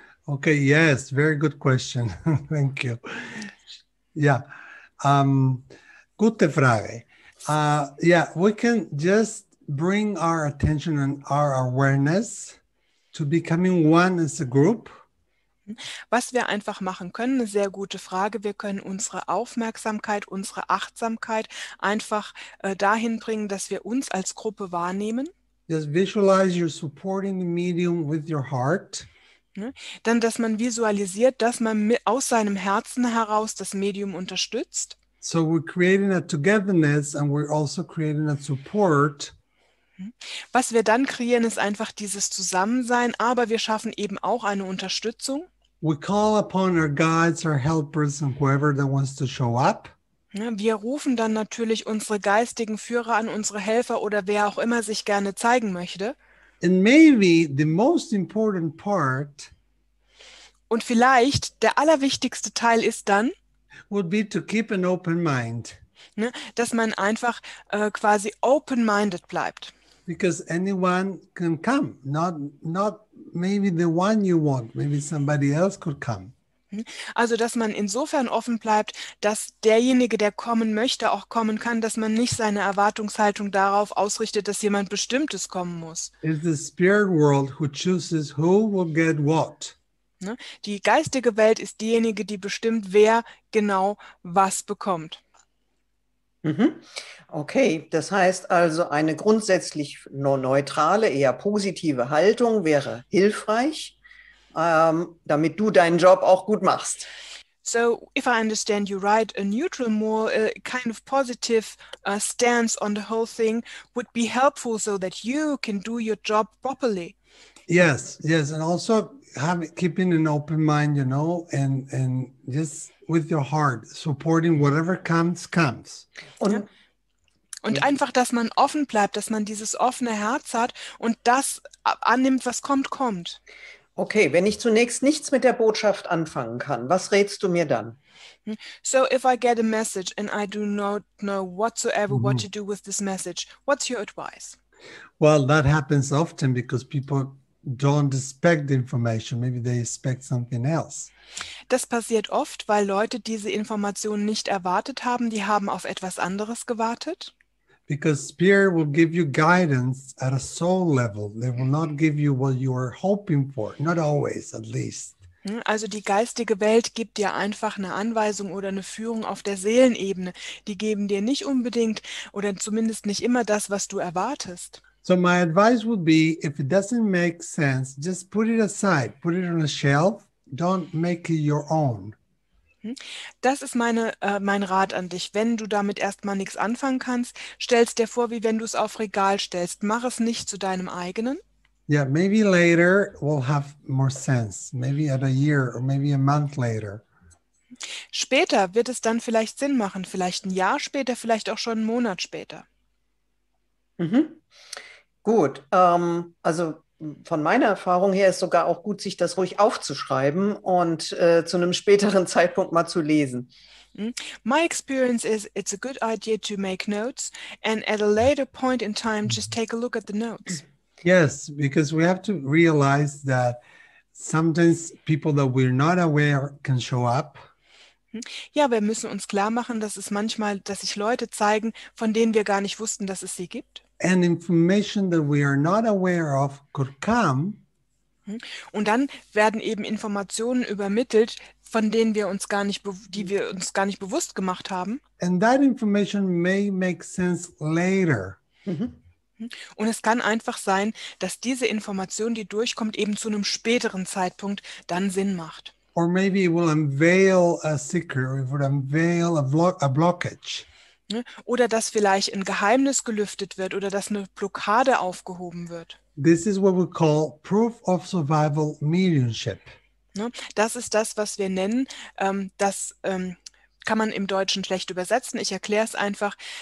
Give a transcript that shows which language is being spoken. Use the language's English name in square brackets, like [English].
[English] Okay, yes, very good question. Thank you. Yeah, [German] gute Frage. [English] Yeah, we can just bring our attention and our awareness to becoming one as a group. [German] Was wir einfach machen können, eine sehr gute Frage. Wir können unsere Aufmerksamkeit, unsere Achtsamkeit einfach dahin bringen, dass wir uns als Gruppe wahrnehmen. [English] Just visualize you're supporting the medium with your heart. [German] Dann, dass man visualisiert, dass man aus seinem Herzen heraus das Medium unterstützt. [English] So we're creating a togetherness and we're also creating a support. [German] Was wir dann kreieren, ist einfach dieses Zusammensein, aber wir schaffen eben auch eine Unterstützung. [English] We call upon our guides, our helpers and whoever that wants to show up. [German] Wir rufen dann natürlich unsere geistigen Führer an, unsere Helfer oder wer auch immer sich gerne zeigen möchte. [English] And maybe the most important part, [German] und vielleicht der allerwichtigste Teil ist dann, [English] would be to keep an open mind. [German] Ne, dass man einfach quasi open-minded bleibt. [English] Because anyone can come. Not maybe the one you want. Maybe somebody else could come. [German] Also, dass man insofern offen bleibt, dass derjenige, der kommen möchte, auch kommen kann, dass man nicht seine Erwartungshaltung darauf ausrichtet, dass jemand Bestimmtes kommen muss. [English] It's the spirit world who chooses who will get what. [German] Ne? Die geistige Welt ist diejenige, die bestimmt, wer genau was bekommt. Okay, das heißt also, eine grundsätzlich neutrale, eher positive Haltung wäre hilfreich, damit du deinen Job auch gut machst. [English] So, if I understand you right, a neutral, more kind of positive stance on the whole thing would be helpful so that you can do your job properly. Yes, and also keeping an open mind, you know, and just with your heart, supporting whatever comes. [German] Und einfach, dass man offen bleibt, dass man dieses offene Herz hat und das annimmt, was kommt. Okay, wenn ich zunächst nichts mit der Botschaft anfangen kann, was rätst du mir dann? [English] So, if I get a message and I do not know whatsoever what to do with this message, what's your advice? Well, that happens often because people don't expect the information. Maybe they expect something else. [German] Das passiert oft, weil Leute diese Informationen nicht erwartet haben. Die haben auf etwas anderes gewartet. [English] Because Spirit will give you guidance at a soul level. They will not give you what you are hoping for. Not always, at least. [German] Also die geistige Welt gibt dir einfach eine Anweisung oder eine Führung auf der Seelenebene. Die geben dir nicht unbedingt oder zumindest nicht immer das, was du erwartest. [English] So my advice would be, if it doesn't make sense, just put it aside. Put it on a shelf. Don't make it your own. [German] Das ist mein Rat an dich. Wenn du damit erstmal nichts anfangen kannst, stell's dir vor, wie wenn du es auf Regal stellst. Mach es nicht zu deinem eigenen. [English] Yeah, maybe later we'll have more sense. Maybe at a year or maybe a month later. [German] Später wird es dann vielleicht Sinn machen. Vielleicht ein Jahr später, vielleicht auch schon einen Monat später. Gut, also von meiner Erfahrung her ist sogar auch gut, sich das ruhig aufzuschreiben und zu einem späteren Zeitpunkt mal zu lesen. [English] My experience is, it's a good idea to make notes and at a later point in time, just take a look at the notes. Yes, because we have to realize that sometimes people that we're not aware can show up. [German] Ja, wir müssen uns klar machen, dass es manchmal, dass sich Leute zeigen, von denen wir gar nicht wussten, dass es sie gibt. [English] And information that we are not aware of could come. [German] Und dann werden eben Informationen übermittelt, von denen wir uns gar nicht, die wir uns gar nicht bewusst gemacht haben. [English] And that information may make sense later. [German] Und es kann einfach sein, dass diese Information, die durchkommt, eben zu einem späteren Zeitpunkt dann Sinn macht. [English] Or maybe it will unveil a secret, or it will unveil a blockage. [German] Oder dass vielleicht ein Geheimnis gelüftet wird oder dass eine Blockade aufgehoben wird. [English] This is what we call proof of survival mediumship. [German] Das ist das, was wir nennen, das kann man im Deutschen schlecht übersetzen. Ich erkläre es einfach.